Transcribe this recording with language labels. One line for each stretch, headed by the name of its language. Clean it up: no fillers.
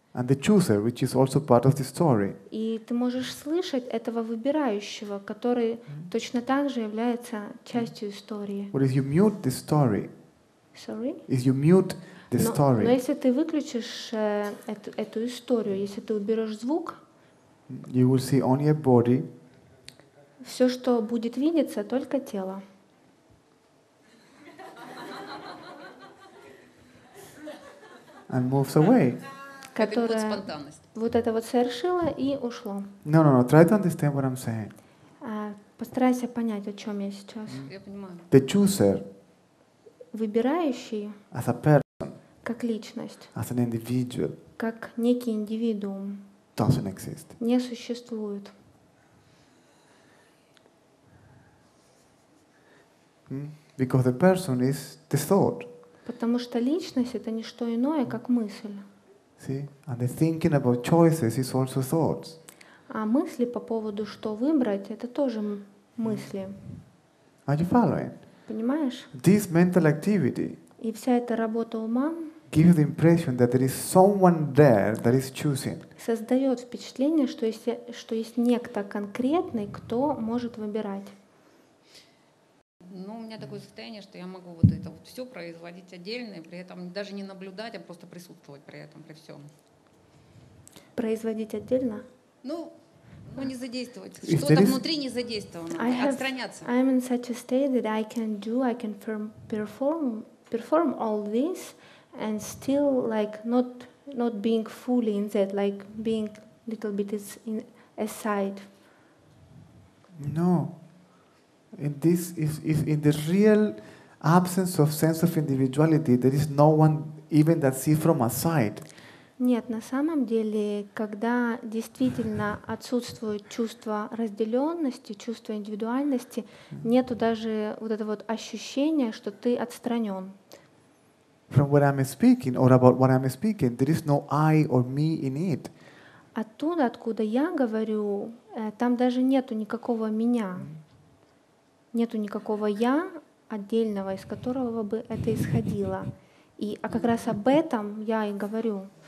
English: And the chooser, which is also part of the story.
Russian: И ты можешь слышать этого выбирающего, который точно так же является частью истории.
English: What if you mute the story? Sorry? If you mute the story.
Russian: Но если ты выключишь эту историю, если ты уберешь звук,
English: you will see only a body.
Russian: Все, что будет видеться, только тело.
English: And moves away.
Russian: Которая вот это вот совершила и ушло.
English: No. Try to understand what I'm saying.
Russian: Постарайся понять, о чем я сейчас. Я понимаю.
English: The chooser.
Russian: Выбирающий.
English: As a person.
Russian: Как личность.
English: As an individual.
Russian: Как некий индивидуум.
English: Doesn't exist.
Russian: Не существует.
English: Because the person is the thought.
Russian: Потому что личность — это не что иное, как мысль.
English: See? And the thinking about choices is also thoughts.
Russian: А мысли по поводу, что выбрать, — это тоже мысли.
English: Are you following?
Russian: Понимаешь?
English: This mental activity.
Russian: И вся эта работа ума.
English: Gives the impression that there is someone there that is choosing.
Russian: Создает впечатление, что есть некто конкретный, кто может выбирать. Ну, у меня такое состояние, что я могу вот это вот все производить отдельно, при этом даже не наблюдать, а просто присутствовать при этом, при всем. Производить отдельно? Ну не задействовать. Что-то внутри не задействовано. Отстраняться.
English: I'm in such a state that I can do, I can perform all this and still like not being fully in that, like being little bit in aside. No. In this is in the real absence of sense of individuality, there is no one even that see from a side.
Russian: Нет, на самом деле, когда действительно отсутствует чувство разделенности, чувство индивидуальности, нету даже вот этого вот ощущения, что ты отстранен.
English: From what I'm speaking or about what I'm speaking, there is no I or me in it.
Russian: Оттуда, откуда я говорю, там даже нету никакого меня. Нету никакого «я» отдельного, из которого бы это исходило. А как раз об этом я и говорю.